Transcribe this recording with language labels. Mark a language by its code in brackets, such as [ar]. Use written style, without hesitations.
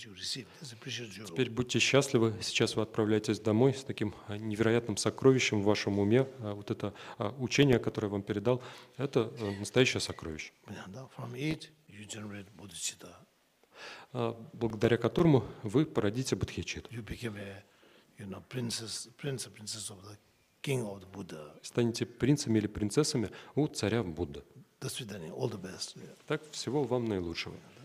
[ru] Теперь будьте счастливы. Сейчас вы отправляетесь домой с таким невероятным сокровищем в вашем уме. Вот это учение, которое я вам передал, это настоящее сокровище. [en] From it you generate bodhicitta. [ru] Благодаря которому вы породите бодхичитту. [en] You become a, princess of the king of the Buddha. [ru] Станете принцами или принцессами у царя Будды. До свидания. [en] All the best. [ru] Так, всего вам наилучшего.